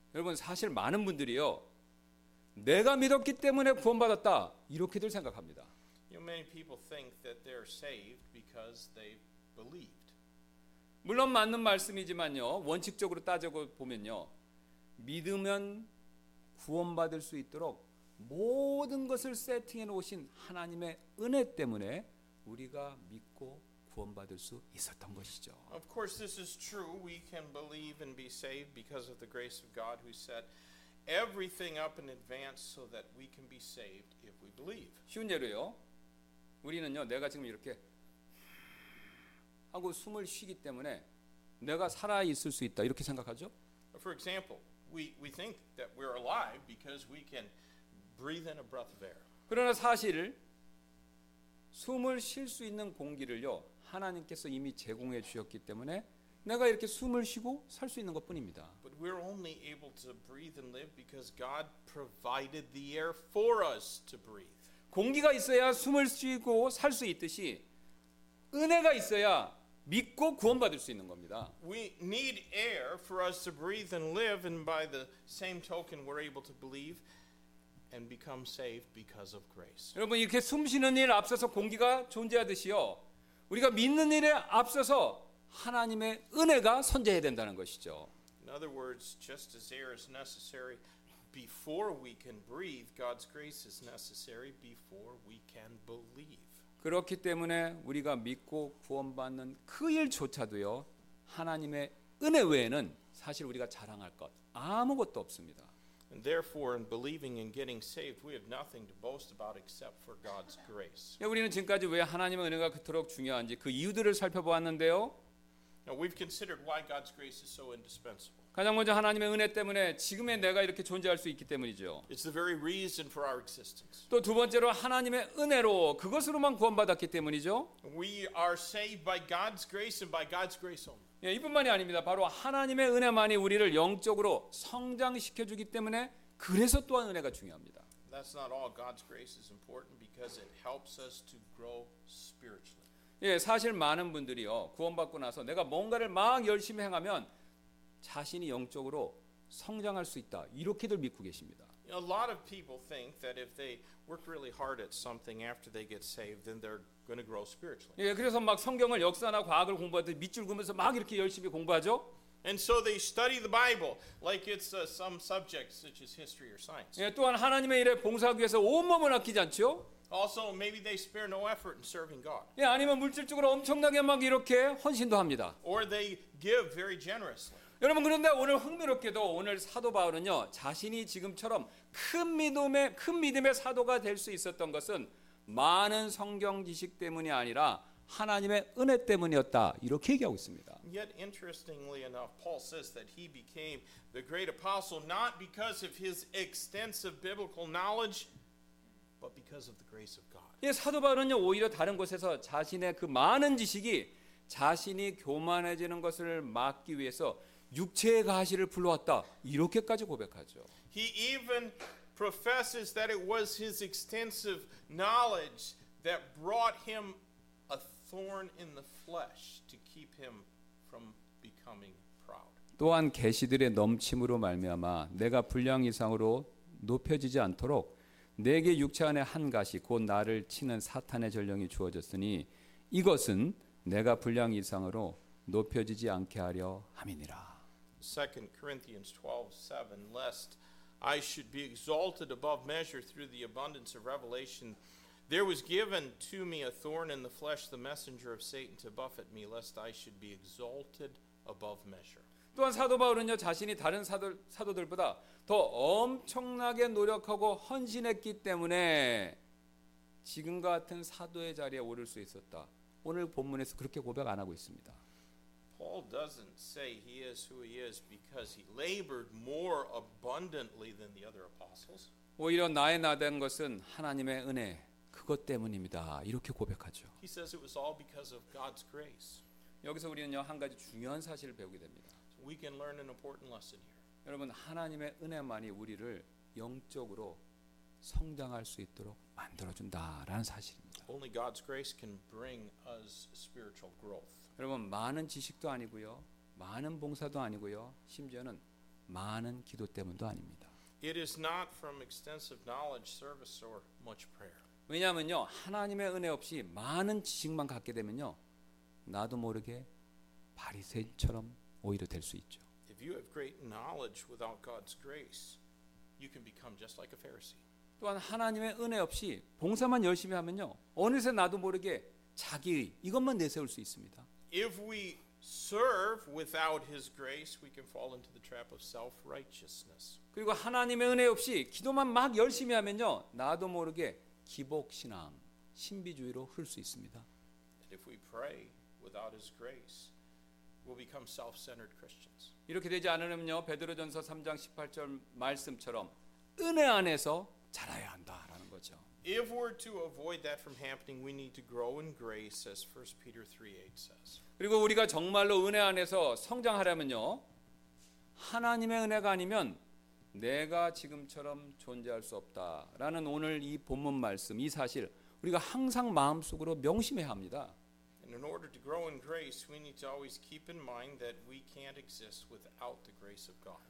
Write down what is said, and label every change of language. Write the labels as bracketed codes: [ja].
[ko] 여러분 사실 많은 분들이요, 내가 믿었기 때문에 구원받았다 이렇게들 생각합니다. [en] You know, many people think that they're saved because they believed. [ko] 물론 맞는 말씀이지만요, 원칙적으로 따져 보면요, 믿으면 구원받을 수 있도록 모든 것을 세팅해 놓으신 하나님의 은혜 때문에 우리가 믿고. [en] Of course, this is true. We can believe and be saved because of the grace of God who set everything up in advance so that we can be saved if we believe. [ko] 쉬운 예로요. 우리는요, 내가 지금 이렇게 하고 숨을 쉬기 때문에 내가 살아 있을 수 있다 이렇게 생각하죠? [en] For example, we think that we're alive because we can breathe in a breath of air. [ko] 그러나 사실 숨을 쉴 수 있는 공기를요. 하나님께서 이미 제공해 주셨기 때문에 내가 이렇게 숨을 쉬고 살 수 있는 것뿐입니다. [en] But we're only able to breathe and live because God provided the air for us to breathe. [ko] 공기가 있어야 숨을 쉬고 살 수 있듯이 은혜가 있어야 믿고 구원받을 수 있는 겁니다. [en] We need air for us to breathe and live, and by the same token, we're able to believe and become saved because of grace. [ko] 여러분 이렇게 숨 쉬는 일 앞서서 공기가 존재하듯이요. 우리가 믿는 일에 앞서서 하나님의 은혜가 선재해야 된다는 것이죠. [en] In other words, just as air is necessary before we can breathe, God's grace is necessary before we can believe. [ko] 그렇기 때문에 우리가 믿고 구원받는 그 일조차도요, 하나님의 은혜 외에는 사실 우리가 자랑할 것 아무것도 없습니다. [en] And therefore, in believing and getting saved, we have nothing to boast about except for God's grace. [ko] 우리는 지금까지 왜 하나님의 은혜가 그토록 중요한지 그 이유들을 살펴보았는데요. [en] Now we've considered why God's grace is so indispensable. [ko] 가장 먼저 하나님의 은혜 때문에 지금의 내가 이렇게 존재할 수 있기 때문이죠. [en] It's the very reason for our existence. [ko] 또 두 번째로 하나님의 은혜로 그것으로만 구원받았기 때문이죠. [en] We are saved by God's grace and by God's grace only. [ko] 예, 이뿐만이 아닙니다. 바로 하나님의 은혜만이 우리를 영적으로 성장시켜 주기 때문에 그래서 또한 은혜가 중요합니다. [en] That's not all. God's grace is important because it helps us to grow spiritually. [ko] 예, 사실 많은 분들이요. 구원받고 나서 내가 뭔가를 막 열심히 행하면 자신이 영적으로 성장할 수 있다. 이렇게들 믿고 계십니다. [en] A lot of people think that if they work really hard at something after they get saved, then they're going to grow spiritually. [ko] 예, 그래서 막 성경을 역사나 과학을 공부하듯 밑줄 그으면서 막 이렇게 열심히 공부하죠. [en] And so they study the Bible like it's some subject such as history or science. [ko] 예, 또한 하나님의 일에 봉사하기 위해서 온몸을 아끼지 않죠. [en] Also, maybe they spare no effort in serving God. [ko] 예, 아니면 물질적으로 엄청나게 막 이렇게 헌신도 합니다. [en] Or they give very generously. [ko] 여러분 그런데 오늘 흥미롭게도 오늘 사도 바울은요 자신이 지금처럼 큰 믿음의 사도가 될 수 있었던 것은 많은 성경 지식 때문이 아니라 하나님의 은혜 때문이었다 이렇게 얘기하고 있습니다. [en] Yet interestingly enough, Paul says that he became the great apostle not because of his extensive biblical knowledge, but because of the grace of God. [ko] 예, 사도 바울은요 오히려 다른 곳에서 자신의 그 많은 지식이 자신이 교만해지는 것을 막기 위해서 육체의 가시를 불러왔다 이렇게까지 고백하죠. [en] He even professes that it was his extensive knowledge that brought him a thorn in the flesh to keep him from becoming proud. [ko] 또한 계시들의 넘침으로 말미암아 내가 분량 이상으로 높여지지 않도록 내게 육체 안에 한 가시 곧 나를 치는 사탄의 전령이 주어졌으니 이것은 내가 분량 이상으로 높여지지 않게 하려 함이니라. [en] 2 Corinthians 12:7 Lest I should be exalted above measure through the abundance of revelation, there was given to me a thorn in the flesh, the messenger of Satan, to buffet me, lest I should be exalted above measure. [ko] 또한 사도 바울은요 자신이 다른 사도들보다 더 엄청나게 노력하고 헌신했기 때문에 지금과 같은 사도의 자리에 오를 수 있었다. 오늘 본문에서 그렇게 고백 안 하고 있습니다. [en] Paul doesn't say he is who he is because he labored more abundantly than the other apostles. [ko] 오히려 나의 나된 것은 하나님의 은혜 그것 때문입니다. 이렇게 고백하죠. [en] He says it was all because of God's grace. [ko] 여기서 우리는요 한 가지 중요한 사실을 배우게 됩니다. [en] We can learn an important lesson here. [ko] 여러분 하나님의 은혜만이 우리를 영적으로 성장할 수 있도록 만들어 준다라는 사실입니다. [en] Only God's grace can bring us spiritual growth. [ko] 여러분 많은 지식도 아니고요. 많은 봉사도 아니고요. 심지어는 많은 기도 때문도 아닙니다. [en] It is not from extensive knowledge, service or much prayer. [ko] 왜냐면요. 하나님의 은혜 없이 많은 지식만 갖게 되면요. 나도 모르게 바리새인처럼 오히려 될 수 있죠. [en] If you have great knowledge without God's grace, you can become just like a Pharisee. [ko] 또한 하나님의 은혜 없이 봉사만 열심히 하면요. 어느새 나도 모르게 자기의 이것만 내세울 수 있습니다. [en] If we serve without his grace, we can fall into the trap of self-righteousness. [ko] 그리고 하나님의 은혜 없이 기도만 막 열심히 하면요. 나도 모르게 기복 신앙, 신비주의로 흐를 수 있습니다. [en] And if we pray without his grace, we'll become self-centered Christians. [ko] 이렇게 되지 않으려면요. 베드로전서 3장 18절 말씀처럼 은혜 안에서 자라야 한다라는 거죠. [en] If we're to avoid that from happening, we need to grow in grace as 1 Peter 3:8 says. [ko] 그리고 우리가 정말로 은혜 안에서 성장하려면요. 하나님의 은혜가 아니면 내가 지금처럼 존재할 수 없다라는 오늘 이 본문 말씀 이 사실 우리가 항상 마음속으로 명심해야 합니다. [en] And in order to grow in grace, we need to always keep in mind that we can't exist without the grace of God.